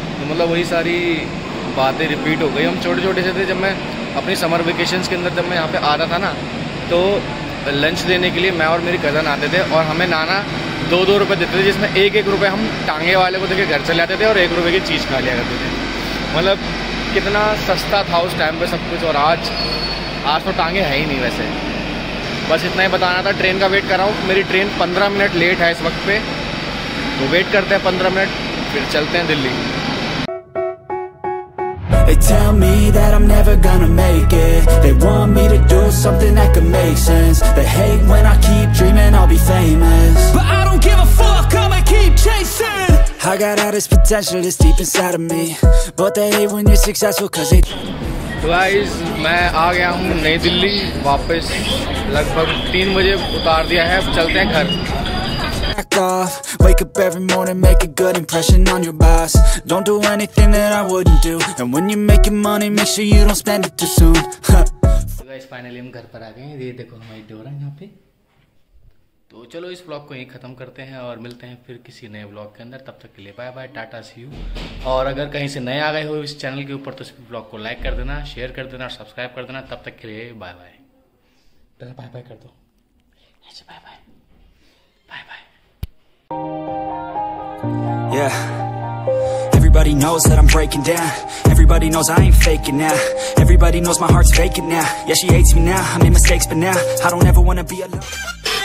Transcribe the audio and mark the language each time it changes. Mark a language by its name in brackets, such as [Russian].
[Hindi] मतलब वही सारी बातें रिपीट हो गई। हम छोटे छोटे से थे, जब मैं अपनी समर वेकेशंस के अंदर जब मैं यहाँ पे आता था ना, तो लंच देने के लिए मैं और मेरी कज़न आते थे और हमें नाना 2-2 रुपए देते थे, जिसमें 1-1 रुपए हम टांगे वाले को देखे घर चले आते थे और 1 रुपए की चीज़ खा लिया करते थे। मतलब कितना सस्ता था उस टाइम पर सब कुछ, और आज तो टांगे है ही नहीं वैसे। बस इतना ही बताना था, ट्रेन का वेट कर रहा हूँ, मेरी ट्रेन 15 मिनट लेट है इस वक्त पे, तो वेट करते हैं 15 मिनट फिर चलते हैं Delhi. [English] They tell me that I'm never gonna make it. They want me to do something that could make sense. They hate when I keep dreaming I'll be famous. But I don't give a fuck, I'ma keep chasing. I got all this potential that's deep inside of me. But they hate when you're successful cause they... [Hindi] Guys, मैं आ गया हूँ नई दिल्ली वापस, लगभग 3 बजे उतार दिया है, अब चलते हैं घर। [English] Off. Wake up every morning, make a good impression on your boss. Don't do anything that I wouldn't do. And when you're making money, make sure you don't spend it too soon. So guys, finally [Hindi] हम घर पर आ गए हैं। ये देखो हमारी door है यहाँ पे। तो चलो इस व्लॉग को यहीं ख़त्म करते हैं और मिलते हैं फिर किसी नए व्लॉग के अंदर, तब तक के लिए bye bye Tata C you. और अगर कहीं से नए आ गए हो इस चैनल के ऊपर, तो इस व्लॉग को लाइक कर देना, शेयर कर देना और सब्सक्राइब कर देना, तब तक के लिए बाय बाय। डर बाय बाय कर दो, अच्छा bye bye. [English] Yeah, everybody knows that I'm breaking down. Everybody knows I ain't faking now. Everybody knows my heart's faking now. Yeah, she hates me now. I made mistakes, but now I don't ever wanna be alone.